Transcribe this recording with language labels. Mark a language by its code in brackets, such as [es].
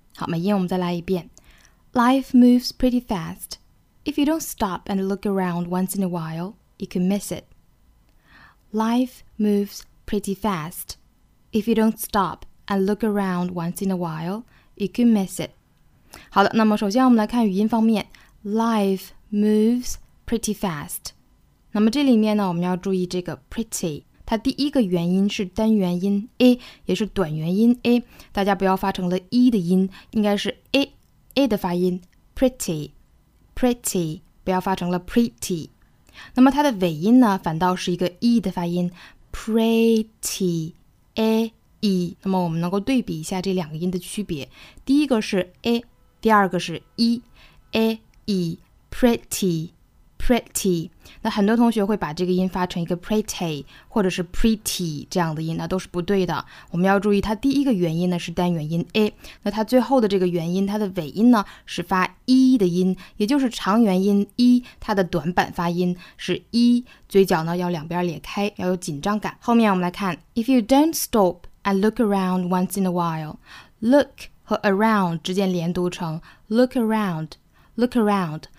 [zh] 好，美音我们再来一遍。 [en] Life moves pretty fast. If you don't stop and look around once in a while, you could miss it. Life moves pretty fast. If you don't stop and look around once in a while, you could miss it. [zh] 好的，那么首先我们来看语音方面。 [en] Life moves pretty fast. [zh] 那么这里面呢，我们要注意这个 pretty， 它第一个元音是单元音 a， 也是短元音 a， 大家不要发成了 e 的音，应该是 a 的发音 pretty。 Pretty， 不要发成了 pretty。那么它的尾音呢，反倒是一个 e 的发音 ，pretty a e。那么我们能够对比一下这两个音的区别，第一个是 a， 第二个是 e，a e pretty pretty。那很多同学会把这个音发成一个 pretty 或者是 pretty 这样的音，那都是不对的。我们要注意，它第一个元音呢是单元音 a， 那它最后的这个元音，它的尾音呢是发。 e 的音，也就是长元音 e， 它的短板发音是 e， 嘴角呢要两边裂开，要有紧张感。后面我们来看 [en] ，If you don't stop and look around once in a while，look 和 around [zh] 之间连读成 [en] look around，look around。